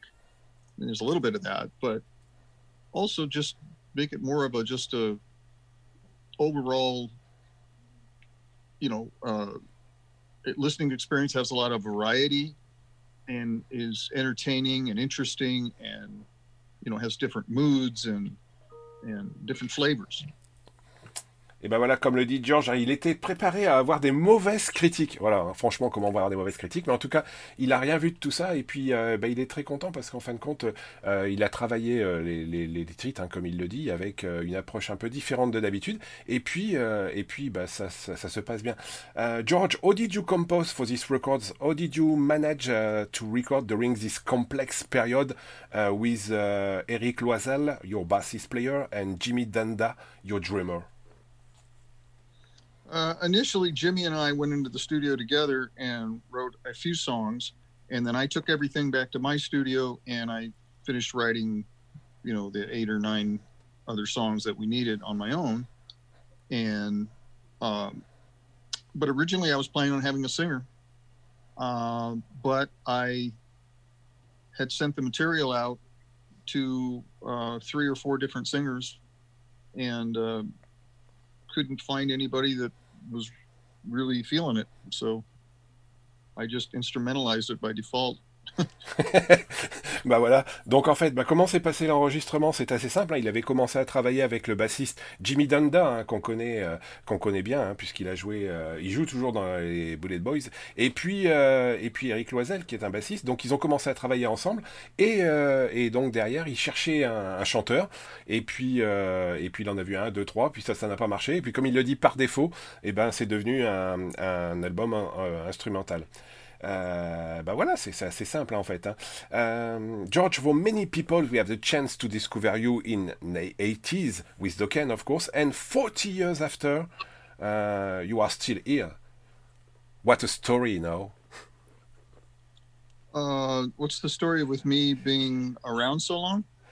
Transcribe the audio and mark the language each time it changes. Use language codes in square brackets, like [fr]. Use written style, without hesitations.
[en] I mean, there's a little bit of that, but also just make it more of a overall, you know, listening experience has a lot of variety and is entertaining and interesting, and, you know, has different moods and different flavors. [fr] Et ben voilà, comme le dit George, il était préparé à avoir des mauvaises critiques. Voilà, franchement, comment avoir des mauvaises critiques? Mais en tout cas, il n'a rien vu de tout ça. Et puis, ben, il est très content parce qu'en fin de compte, il a travaillé les titres, hein, comme il le dit, avec une approche un peu différente de d'habitude. Et puis, ben, ça se passe bien. [en] George, how did you compose for these records? How did you manage to record during this complex period with Eric Loisel, your bassist player, and Jimmy Danda, your drummer? Initially, Jimmy and I went into the studio together and wrote a few songs, and then I took everything back to my studio and I finished writing, you know, the 8 or 9 other songs that we needed on my own. And but originally I was planning on having a singer, but I had sent the material out to 3 or 4 different singers and couldn't find anybody that was really feeling it, so I just instrumentalized it by default. [fr] Bah voilà, donc en fait, bah comment s'est passé l'enregistrement? C'est assez simple, hein. Il avait commencé à travailler avec le bassiste Jimmy Danda, hein, qu'on connaît bien, hein, puisqu'il a joué, il joue toujours dans les Bullet Boys, et puis Eric Loisel, qui est un bassiste. Donc ils ont commencé à travailler ensemble, et donc derrière, ils cherchaient un chanteur, et puis il en a vu 1, 2, 3, puis ça n'a pas marché, et puis comme il le dit, par défaut, et ben c'est devenu un album instrumental. Bah voilà, c'est assez simple, hein, en fait. Hein. [en] George, for many people, we have the chance to discover you in the 80s with Dokken, of course, and 40 years after, you are still here. What a story, you know? What's the story with me being around so long?